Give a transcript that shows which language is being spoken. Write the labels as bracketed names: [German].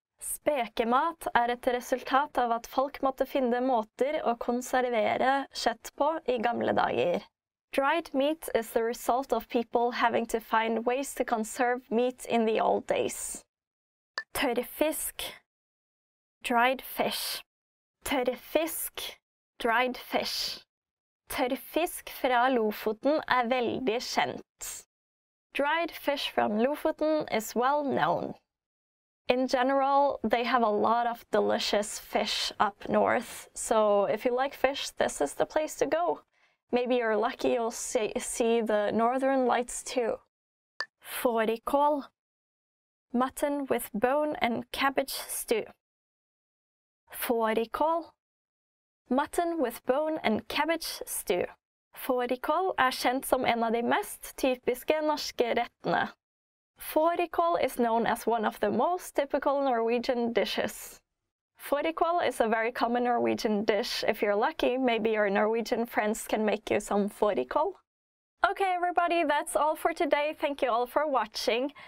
[Norwegian] Spekemat et resultat av at folk måtte finne måter å konservere kjøtt på I gamle dager. [English] Dried meat is the result of people having to find ways to conserve meat in the old days. Tørrfisk. Dried fish. Tørrfisk. Dried fish. [Norwegian] Tørrfisk fra Lofoten veldig kjent. [English] Dried fish from Lofoten is well known. In general, they have a lot of delicious fish up north. So if you like fish, this is the place to go. Maybe you're lucky you'll see the northern lights too. Fårikål. Mutton with bone and cabbage stew. Fårikål. Mutton with bone and cabbage stew. [Norwegian] Fårikål kjent som en av de mest typiske norske rettene. [English] Fårikål known as one of the most typical Norwegian dishes. Fårikål a very common Norwegian dish. If you're lucky, maybe your Norwegian friends can make you some fårikål. Okay, everybody, that's all for today. Thank you all for watching.